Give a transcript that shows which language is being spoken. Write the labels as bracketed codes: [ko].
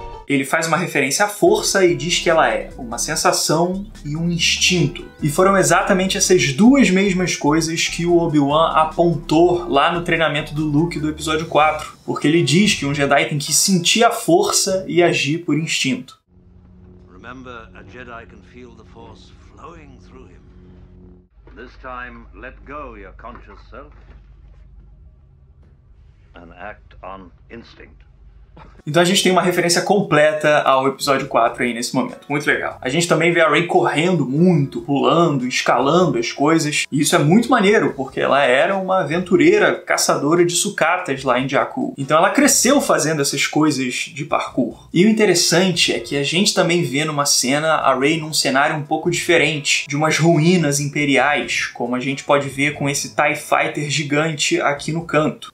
[pt] Ele faz uma referência à força e diz que ela é uma sensação e um instinto. E foram exatamente essas duas mesmas coisas que o Obi-Wan apontou lá no treinamento do Luke do episódio 4. Porque ele diz que um Jedi tem que sentir a força e agir por instinto. [en] Remember, a Jedi can feel the force flowing through him. This time, let go your conscious self and act on instinct. [pt] Então a gente tem uma referência completa ao episódio 4 aí nesse momento. Muito legal. A gente também vê a Rey correndo muito, pulando, escalando as coisas. E isso é muito maneiro, porque ela era uma aventureira caçadora de sucatas lá em Jakku. Então ela cresceu fazendo essas coisas de parkour. E o interessante é que a gente também vê numa cena a Rey num cenário um pouco diferente, de umas ruínas imperiais, como a gente pode ver com esse TIE Fighter gigante aqui no canto.